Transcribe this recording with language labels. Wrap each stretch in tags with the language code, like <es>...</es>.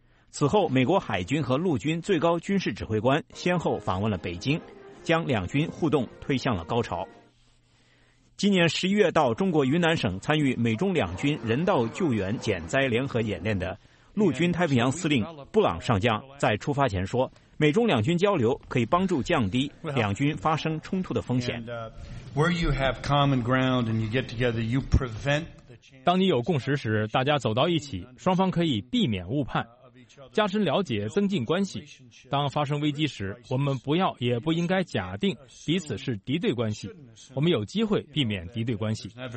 <zh>此后，美国海军和陆军最高军事指挥官先后访问了北京，将两军互动推向了高潮。今年十一月到中国云南省参与美中两军人道救援减灾联合演练的陆军太平洋司令布朗上将在出发前说，美中两军交流可以帮助降低两军发生冲突的风险。</zh> <en>Where you have common ground and you get together, you prevent...</en> <zh>当你有共识时，大家走到一起，双方可以避免误判，加深了解，增进关系。当发生危机时，我们不要也不应该假定彼此是敌对关系，我们有机会避免敌对关系。</zh>